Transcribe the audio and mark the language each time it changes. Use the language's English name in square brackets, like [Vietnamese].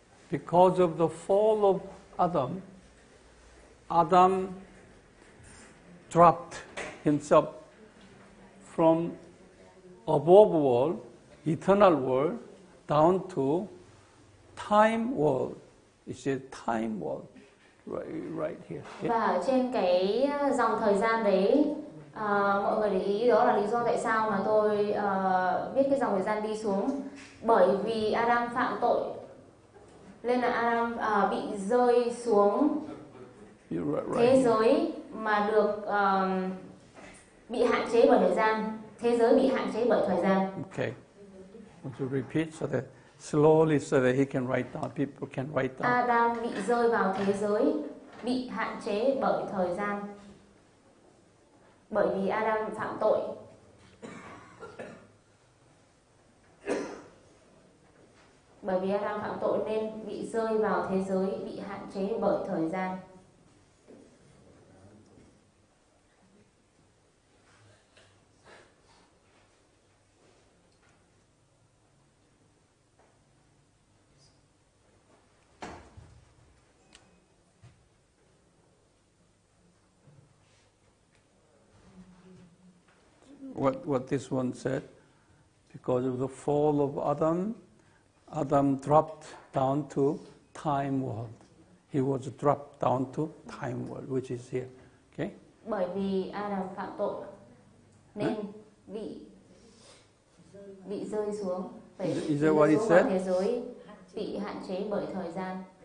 [English] Because of the fall of Adam, Adam dropped himself from above world, eternal world, down to time world. It says time world, right here. Okay? [Vietnamese] Và trên cái dòng thời gian đấy, mọi người để ý đó là lý do tại sao mà tôi viết cái dòng thời gian đi xuống. Bởi vì Adam phạm tội. Nên là Adam bị rơi xuống thế giới mà được bị hạn chế bởi thời gian. Thế giới bị hạn chế bởi thời gian. [English] Okay. Would you repeat so that slowly so that he can write down, people can write down. [Vietnamese] Adam bị rơi vào thế giới bị hạn chế bởi thời gian. Bởi vì Adam phạm tội. Bởi vì Adam phạm tội nên bị rơi vào thế giới bị hạn chế bởi thời gian. [English] What this one said, because of the fall of Adam, Adam dropped down to time world. He was dropped down to time world, which is here. Okay? [Vietnamese] Bởi vì Adam phạm tội nên bị rơi xuống. [English] Is that what he said? [Vietnamese] Thế giới bị hạn chế bởi thời gian.